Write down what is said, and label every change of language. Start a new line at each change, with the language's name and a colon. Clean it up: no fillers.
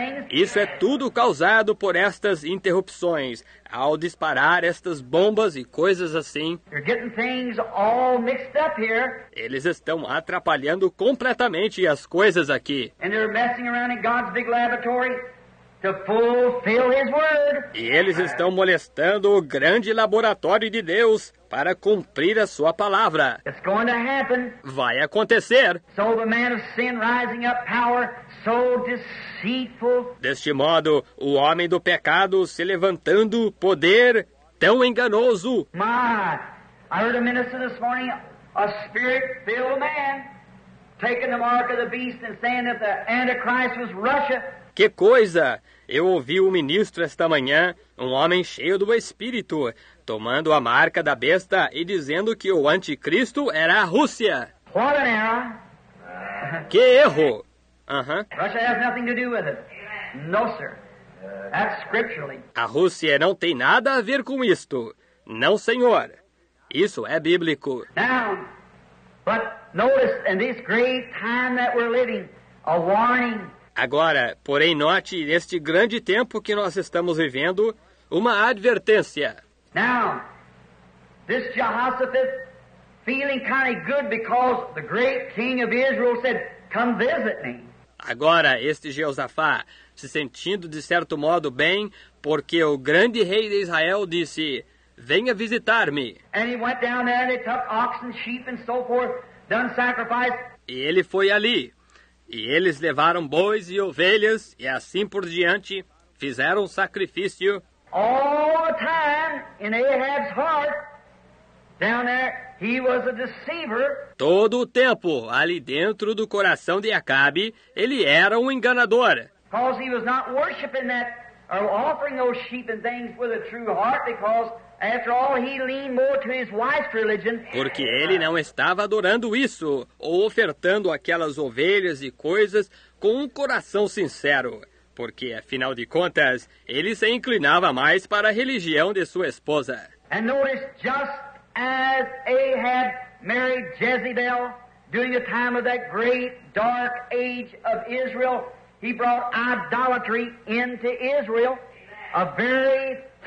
Portuguese: Isso é tudo causado por estas interrupções, ao disparar estas bombas e coisas assim.
English: You're getting things all mixed up here.
Portuguese: Eles estão atrapalhando completamente as coisas aqui.
English: And they're messing around in God's big laboratory. To fulfill His word.
Portuguese: E eles estão molestando o grande laboratório de Deus para cumprir a sua palavra.
English: It's going to happen.
Portuguese: Vai acontecer.
English: So the man of sin rising up power, so deceitful.
Portuguese: Deste modo, o homem do pecado se levantando poder tão enganoso.
English: My, I heard a minister this morning, a spirit-filled man, taking the mark of the beast and saying that the Antichrist was Russia.
Portuguese: Que coisa! Eu ouvi o ministro esta manhã, um homem cheio do Espírito, tomando a marca da besta e dizendo que o anticristo era a Rússia.
English: What an error.
Portuguese: Que erro!
English: Russia has nothing to do with it. No, sir. That's scripturally.
Portuguese: A Rússia não tem nada a ver com isto. Não, senhor. Isso é bíblico.
English: Now, but notice in this great time that we're living, a warning.
Portuguese: Agora, porém, note neste grande tempo que nós estamos vivendo, uma advertência.
English: Now, this Jehoshaphat feeling kind of good because the great king of Israel said, come visit me.
Portuguese: Agora, este Jeosafá se sentindo de certo modo bem, porque o grande rei de Israel disse, venha visitar-me.
English: And he went down there and they took oxen, sheep and so forth, done sacrifice.
Portuguese: E ele foi ali. E eles levaram bois e ovelhas, e assim por diante, fizeram sacrifício.
English: All the time, in Ahab's heart, down there, he was a deceiver.
Portuguese: Todo o tempo, ali dentro do coração de Acabe, ele era um enganador.
English: Because he was not worshiping that, or offering those sheep and things with a true heart, because after all, he leaned more to his wife's religion.
Portuguese: Porque ele não estava adorando isso, ou ofertando aquelas ovelhas e coisas com um coração sincero. Porque, afinal de contas, ele se inclinava mais para a religião de sua esposa.
English: And notice, just as Ahab married Jezebel during the time of that great dark age of Israel, he brought idolatry into Israel, a very